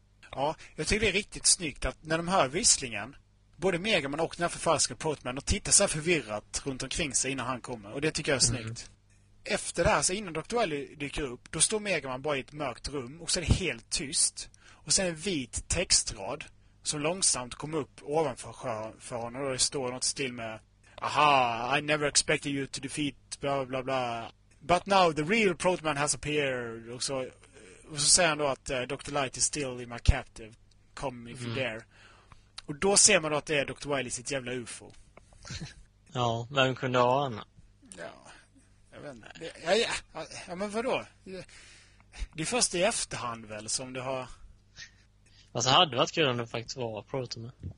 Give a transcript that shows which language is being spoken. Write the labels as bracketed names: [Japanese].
[Swedish] Ja, jag tycker det är riktigt snyggt att när de hör visslingen, både Megaman och den här förfalskade Protoman, och tittar så här förvirrat runt omkring sig innan han kommer. Och det tycker jag är snyggt. Efter det här, så innan Dr. Wily dyker upp, då står Megaman bara i ett mörkt rum och så är det helt tyst. Och sen en vit textrad som långsamt kom upp ovanför för honom. Och det står något still med, aha, [English] I never expected you to defeat bla bla bla, but now the real Protoman has appeared. [Swedish] Och så säger han då att Dr. [English] Light is still in my captive, come if you dare. [Swedish] Och då ser man då att det är Dr. Wily sitt jävla UFO. Ja, vem kunde ha honom? Ja, jag vet inte. Ja, men vadå? Det är först i efterhand väl som du har... Alltså, hade varit kul om det faktiskt var Protoman.